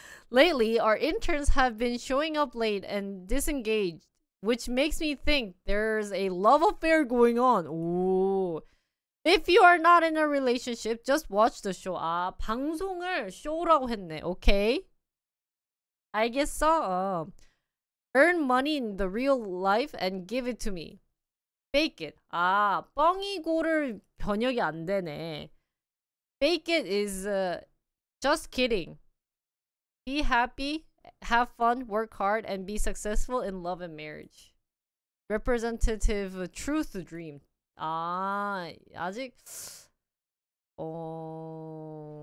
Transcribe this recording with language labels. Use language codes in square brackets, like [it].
[en] Lately, our interns have been showing up late and disengaged, which makes me think there's a love affair going on. Ooh. If you are not in a relationship, just watch the show. [ko] 아, 방송을 쇼라고 했네. Okay. 알겠어. [en] Earn money in the real life and give it to me. Fake it. [ko] 아, 뻥이고를 번역이 안 되네. [en] Fake it is just kidding. Be happy, have fun, work hard, and be successful in love and marriage. Representative truth dream. [ko] 아, 아직... 어...